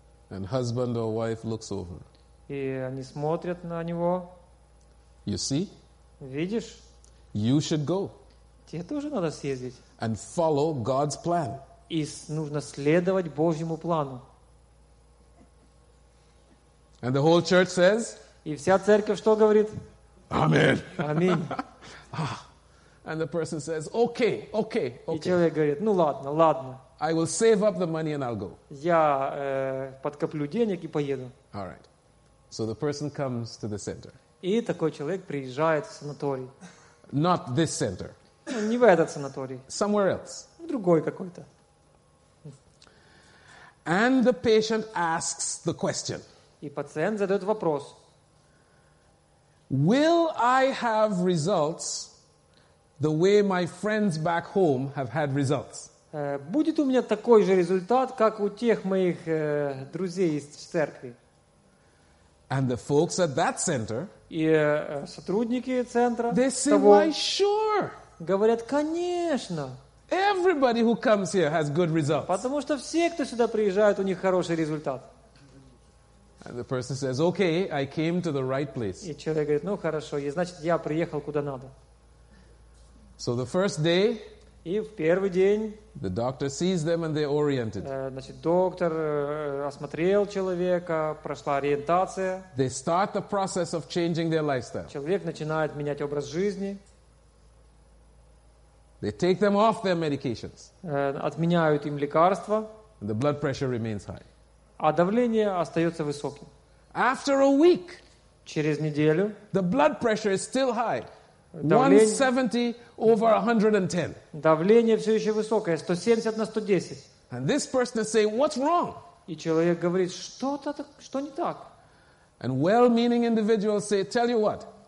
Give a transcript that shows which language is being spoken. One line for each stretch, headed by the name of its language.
English: And husband or wife looks over.
Russian: И они смотрят на него.
English: You see?
Russian: Видишь?
English: You should go.
Russian: Тебе тоже надо съездить.
English: And follow God's plan.
Russian: И нужно следовать Божьему плану.
English: And the whole church says?
Russian: И вся церковь что говорит?
English: Amen.
Russian: Аминь.
English: And the person says, okay, okay, okay.
Russian: И человек говорит, ну ладно, ладно.
English: I will save up the money and I'll go.
Russian: Я подкоплю денег и поеду.
English: All right. So the person comes to the center.
Russian: И такой человек приезжает в санаторий.
English: Not this center.
Russian: Не в этот санаторий.
English: Somewhere else.
Russian: В другой какой-то.
English: And the patient asks the question.
Russian: И пациент задает вопрос.
English: Will I have results the way my friends back home have had results?
Russian: Будет у меня такой же результат, как у тех моих друзей из церкви.
English: And the folks at that center,
Russian: и сотрудники центра,
English: they say,
Russian: того,
English: why, sure.
Russian: Говорят, конечно.
English: Everybody who comes here has good results.
Russian: Потому что все, кто сюда приезжают, у них хороший результат.
English: And the person says, okay, I came to the right place.
Russian: И человек говорит, ну хорошо, и значит я приехал куда надо.
English: So the first day,
Russian: и в первый день
English: the doctor sees them and they're oriented.
Russian: Значит, доктор осмотрел человека, прошла ориентация.
English: They start the process of changing their lifestyle.
Russian: Человек начинает менять образ жизни.
English: They take them off their medications.
Russian: Отменяют им лекарства.
English: And the blood pressure remains high.
Russian: А давление остается высоким.
English: After a week,
Russian: через неделю,
English: the blood pressure is still high. 170 over 110.
Russian: Давление все еще высокое, 170 на 110.
English: And this person is saying, what's wrong?
Russian: И человек говорит, что-то, что не так.
English: And well-meaning individuals say, "Tell you what."